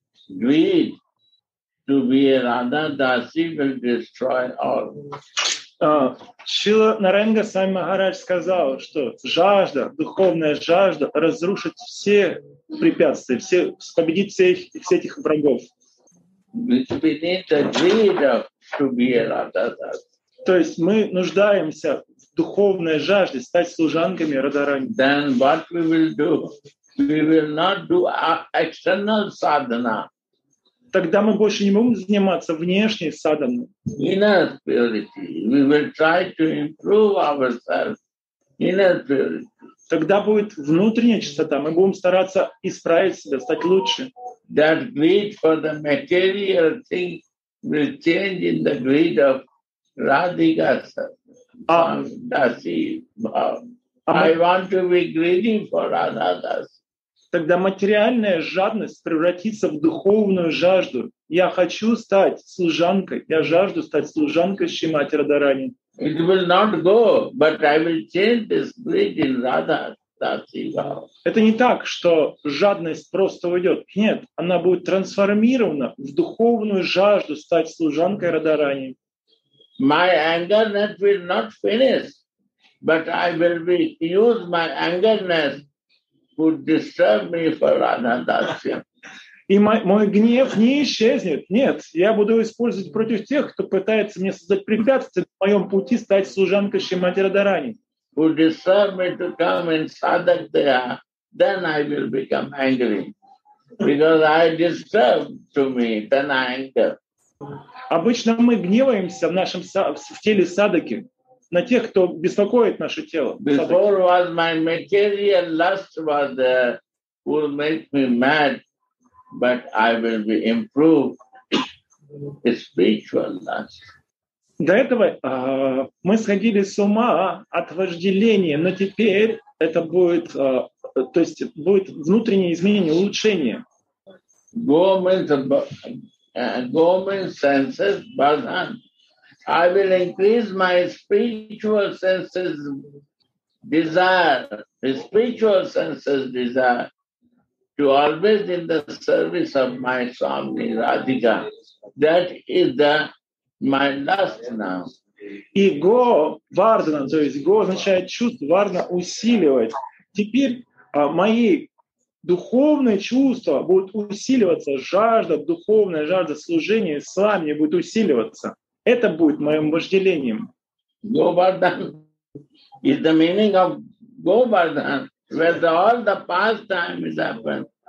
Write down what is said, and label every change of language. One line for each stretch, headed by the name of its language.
English: Greed to be a Radha Dasi will destroy all.
Russian: Шрила Нараян Госвами Махарадж сказал, что жажда, духовная жажда разрушит все препятствия, все, победит всех этих врагов.
English: We need the greed of to be a Radha Dasi.
Russian: То есть мы нуждаемся в духовной жажде стать служанками Радхарани.
English: Then what we will do? We will not do external sadhana.
Russian: Тогда мы больше не будем заниматься внешней садханой.
English: Inner purity. We will try to improve ourselves. Inner purity.
Russian: Тогда будет внутренняя чистота. Мы будем стараться исправить себя, стать лучше.
English: That greed for the material thing will change in the greed of Radhika Dasi. I want to be greedy for Radha Dasi.
Russian: Тогда материальная жадность превратится в духовную жажду. Я хочу стать служанкой. Я жажду стать служанкой Шримати Радхарани.
English: It will not go, but I will change this greed in Radha Dasi.
Russian: Это не так, что жадность просто уйдет. Нет, она будет трансформирована в духовную жажду стать служанкой Радхарани.
English: My anger net will not finish, but I will be use my anger net to disturb me for Radha Dasi.
Russian: И мой гнев не исчезнет. Нет, я буду использовать против тех, кто пытается мне создать препятствия на моем пути стать служанкой Шримати Радхарани.
English: To disturb me to come in sadhak there, then I will become angry. Because I disturb to me, then I anger.
Russian: Обычно мы гневаемся в нашем в теле садаки на тех, кто беспокоит наше тело.
English: Before was my material lust was there, would make me mad, but I will be improved spiritual lust.
Russian: До этого мы сходили с ума от вожделения, но теперь это будет, то есть будет внутреннее изменение, улучшение.
English: Go means senses, bhajan. I will increase my spiritual senses desire, spiritual senses desire, to always in the service of my Swami Radhika. That is the my last now.
Russian: Иго варна, то есть иго означает чувство, варна усиливать. Теперь мои духовные чувства будут усиливаться, жажда, духовная жажда служения с вами будет усиливаться. Это будет моим вожделением.
English: Govardhan is the meaning of Govardhan, where the, all the pastime is happened.